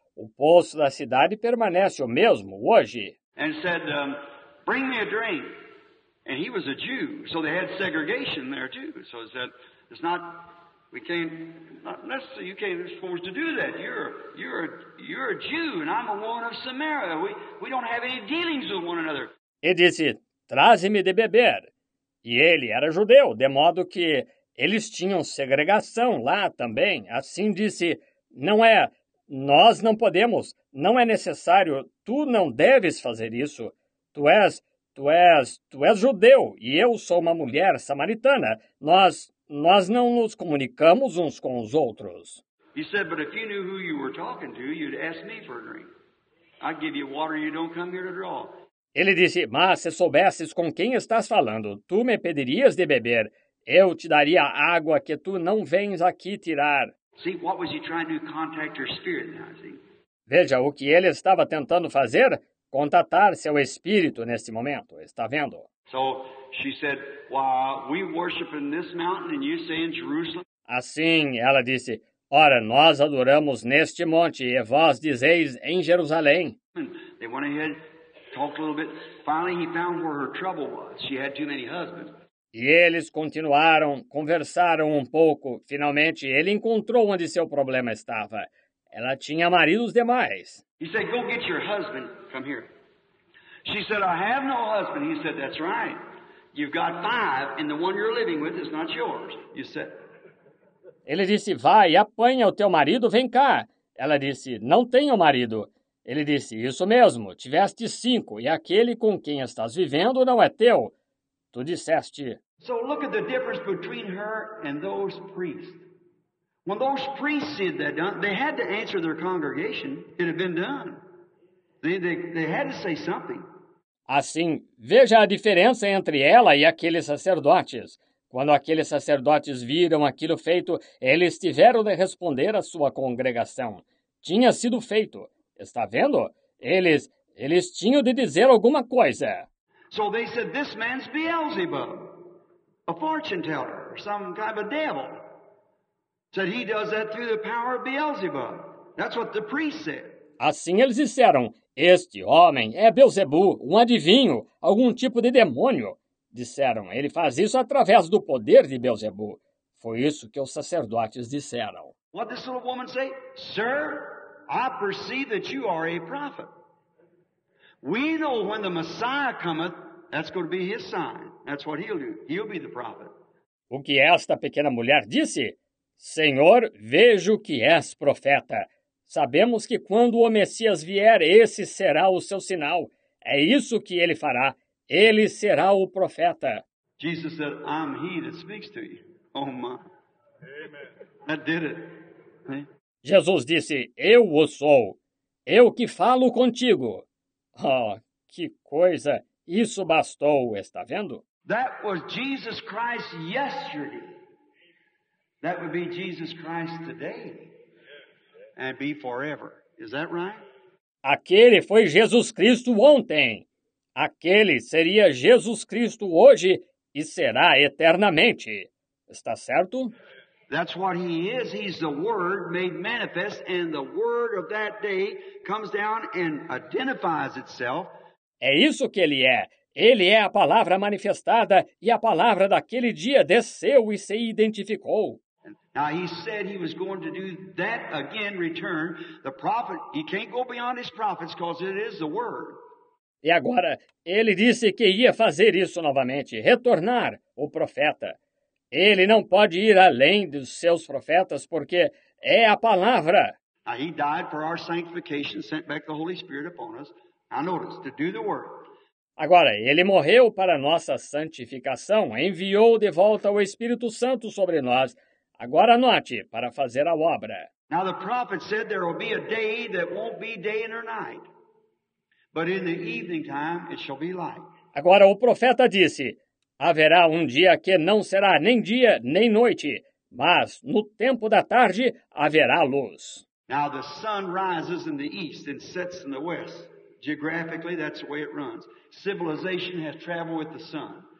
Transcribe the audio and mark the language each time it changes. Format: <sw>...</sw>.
<pt>O poço da cidade permanece o mesmo hoje.</pt> <en>And said, bring me a drink. And he was a Jew, so they had segregation there too. So he said, it's not, we can't, not necessarily, you can't afford to do that. You're a Jew, and I'm a woman of Samaria. We don't have any dealings with one another.</en> <pt>E disse, traze-me de beber. E ele era judeu, de modo que eles tinham segregação lá também. Assim disse, não é... Nós não podemos, não é necessário, tu não deves fazer isso. Tu és judeu e eu sou uma mulher samaritana. Nós, Nós não nos comunicamos uns com os outros.</pt> <en>He said, but if you knew who you were talking to, you'd ask me for a drink. I'd give you water you don't come here to draw.</en> <pt>Ele disse, mas se soubesses com quem estás falando, tu me pedirias de beber. Eu te daria água que tu não vens aqui tirar.</pt> <en>See, what was he trying to contact your spirit now, see?</en> <pt>Veja, o que ele estava tentando fazer? Contatar seu espírito neste momento, está vendo?</pt> <en>So, she said, well, we worship in this mountain and you say in Jerusalem.</en> <pt>Assim, ela disse, ora, nós adoramos neste monte e vós dizeis em Jerusalém.</pt> <en>They went ahead, talked a little bit. Finally, he found where her trouble was. She had too many husbands.</en> <pt>E eles continuaram, conversaram um pouco. Finalmente, ele encontrou onde seu problema estava. Ela tinha maridos demais.</pt> <en>He said, go get your husband. Come here. She said, I have no husband. He said, that's right. You've got five, and the one you're living with is not yours. You said...</en> <pt>Ele disse, vai, apanha o teu marido, vem cá. Ela disse, não tenho marido. Ele disse, isso mesmo, tiveste cinco, e aquele com quem estás vivendo não é teu. Tu disseste.</pt> <en>So look at the difference between her and those priests. When those priests said that, they had to answer their congregation. It had been done. They had to say something.</en> <pt>Assim, veja a diferença entre ela e aqueles sacerdotes. Quando aqueles sacerdotes viram aquilo feito, eles tiveram de responder à sua congregação. Tinha sido feito. Está vendo? Eles tinham de dizer alguma coisa.</pt> <en>So they said, this man's Beelzebub, a fortune teller, or some kind of a devil. Said he does that through the power of Beelzebub. That's what the priest said.</en> <pt>Assim eles disseram, este homem é Beelzebub, um adivinho, algum tipo de demônio. Disseram, ele faz isso através do poder de Beelzebub. Foi isso que os sacerdotes disseram.</pt> <en>What did this little woman say? Sir, I perceive that you are a prophet. We know when the Messiah cometh, that's going to be his sign. That's what he'll do. He'll be the prophet.</en> <pt>O que esta pequena mulher disse? Senhor, vejo que és profeta. Sabemos que quando o Messias vier, esse será o seu sinal. É isso que ele fará. Ele será o profeta.</pt> <en>Jesus said, I'm he that speaks to you. Oh my. Amen. That did it.</en> <pt>Jesus disse, eu o sou. Eu que falo contigo. Oh, que coisa. Isso bastou, está vendo?</pt> <en>That was Jesus Christ yesterday. That would be Jesus Christ today. And be forever. Is that right?</en> <pt>Aquele foi Jesus Cristo ontem. Aquele seria Jesus Cristo hoje e será eternamente. Está certo?</pt> <en>That's what he is. He's the Word made manifest, and the Word of that day comes down and identifies itself.</en> <pt>É isso que ele é. Ele é a palavra manifestada, e a palavra daquele dia desceu e se identificou.</pt> <en>Now he said he was going to do that again, return. The prophet, he can't go beyond his prophets because it is the Word.</en> <pt>E agora, ele disse que ia fazer isso novamente, retornar o profeta. Ele não pode ir além dos seus profetas, porque é a palavra.</pt> <en>He died for our sanctification, sent back the Holy Spirit upon us. Now notice, to do the work.</en> <pt>Agora, ele morreu para nossa santificação, enviou de volta o Espírito Santo sobre nós. Agora anote, para fazer a obra.</pt> <en>Now the prophet said there will be a day that won't be day nor night. But in the evening time, it shall be light.</en> <pt>Agora o profeta disse, haverá um dia que não será nem dia nem noite, mas no tempo da tarde haverá luz.</pt> <en>Now the sun rises in the east and sets in the west. Geographically, that's the way it runs. Civilization has traveled with the sun.</en>